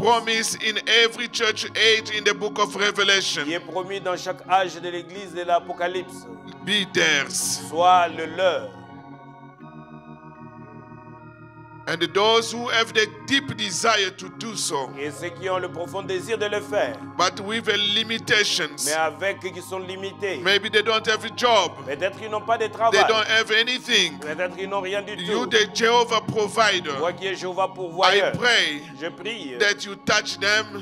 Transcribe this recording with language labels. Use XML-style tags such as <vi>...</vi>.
<en>Promised in every church age in the book of Revelation.</en> <fr>Qui est promis dans chaque âge de l'église de l'Apocalypse.</fr> <en>Be theirs.</en> <fr>Sois le leur.</fr> <en>And those who have the deep desire to do so.</en> <fr>Et ceux qui ont le profond désir de le faire.</fr> <en>But with limitations.</en> <fr>Mais avec qui sont limités.</fr> <en>Maybe they don't have a job.</en> <fr>Peut-être ils n'ont pas de travail.</fr> <en>They don't have anything.</en> <fr>Peut-être ils n'ont rien du tout.</fr> <en>You the Jehovah provider.</en> <fr>Toi qui es Jéhovah pourvoyeur.</fr> <en>I pray.</en> <fr>Je prie.</fr> <en>That you touch them.</en>